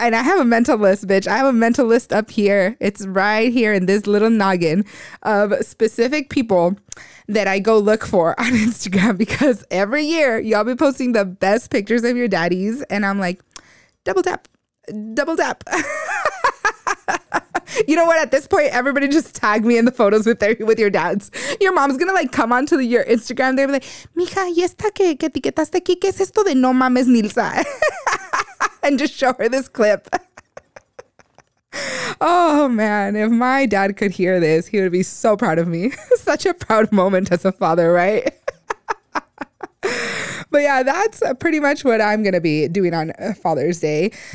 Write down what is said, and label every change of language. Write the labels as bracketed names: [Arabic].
[English] And I have a mental list, bitch. I have a mental list up here. It's right here in this little noggin of specific people that I go look for on Instagram, because every year y'all be posting the best pictures of your daddies. And I'm like, double tap, double tap. You know what? At this point, everybody just tag me in the photos with your dads. Your mom's going to like come onto your Instagram. They're like, [Spanish] mija, ¿y esta que etiquetaste aquí? ¿Qué es esto de no mames Nilsa? [English] And just show her this clip. Oh, man. If my dad could hear this, he would be so proud of me. Such a proud moment as a father, right? But yeah, that's pretty much what I'm going to be doing on Father's Day.